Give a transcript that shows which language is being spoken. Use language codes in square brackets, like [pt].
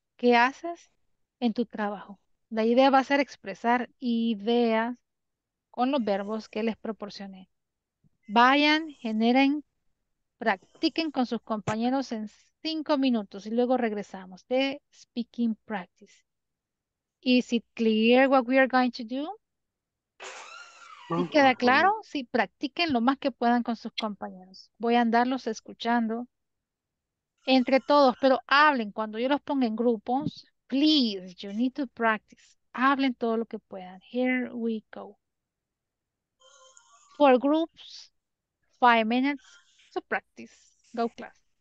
[es] ¿Qué haces en tu trabajo? La idea va a ser expresar ideas con los verbos que les proporcioné. Vayan, generen, practiquen con sus compañeros en 5 minutos y luego regresamos de speaking practice. [en] Is it clear what we are going to do? [es] ¿Sí queda claro? Sí, practiquen lo más que puedan con sus compañeros. Voy a andarlos escuchando entre todos, pero hablen cuando yo los ponga en grupos. [en] Please, you need to practice. Hablen todo lo que puedan. Here we go. For groups, 5 minutes to practice. Go class.